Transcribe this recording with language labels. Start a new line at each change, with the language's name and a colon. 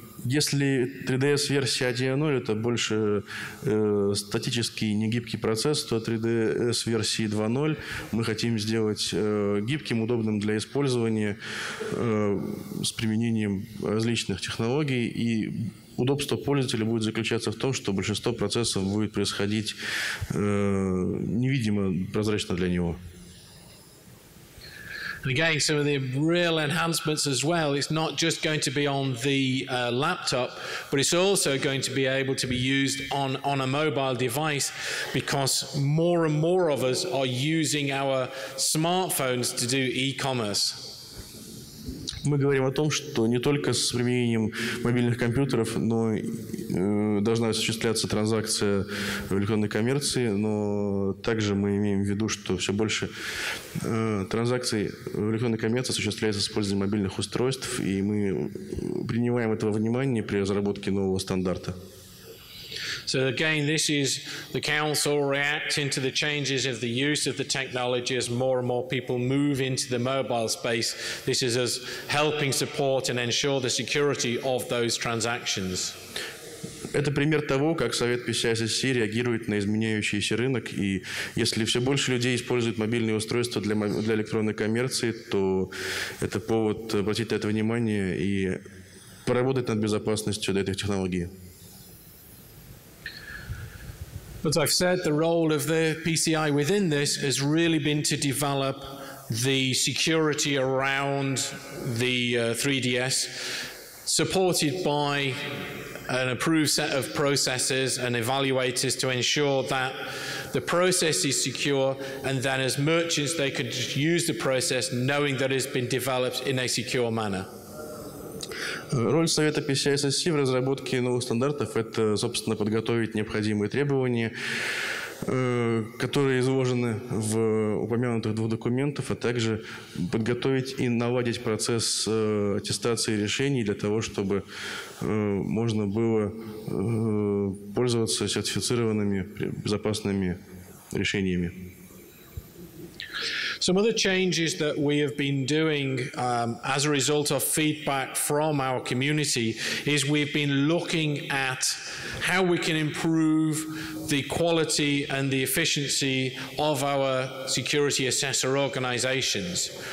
Russian: Если 3DS-версия 1.0 – это больше статический негибкий процесс, то 3DS-версии 2.0 мы хотим сделать гибким, удобным для использования с применением различных технологий. И удобство пользователя будет заключаться в том, что большинство процессов будет происходить невидимо, прозрачно для него.
English: And again, some of the real enhancements as well, it's not just going to be on the laptop, but it's also going to be able to be used on a mobile device, because more and more of us are using our smartphones to do e-commerce.
Russian: Мы говорим о том, что не только с применением мобильных компьютеров, но должна осуществляться транзакция в электронной коммерции, но также мы имеем в виду, что все больше транзакций в электронной коммерции осуществляется с использованием мобильных устройств, и мы принимаем это во внимание при разработке нового стандарта.
English: So again, this is the council reacting to the changes of the use of the technology as more and more people move into the mobile space. This is us helping support and ensure the security of those transactions.
Russian: Это пример того, как Совет PCI SSC реагирует на изменяющийся рынок. И если все больше людей используют мобильные устройства для электронной коммерции, то это повод обратить на это внимание и поработать над безопасностью этой технологии.
English: But I've said the role of the PCI within this has really been to develop the security around the 3DS, supported by an approved set of processes and evaluators to ensure that the process is secure, and then as merchants they could just use the process knowing that it's been developed in a secure manner.
Russian: Роль Совета PCI SSC в разработке новых стандартов – это, собственно, подготовить необходимые требования, которые изложены в упомянутых двух документах, а также подготовить и наладить процесс аттестации решений для того, чтобы можно было пользоваться сертифицированными безопасными решениями.
English: Some of the changes that we have been doing as a result of feedback from our community is we've been looking at how we can improve the quality and the efficiency of our security assessor organizations.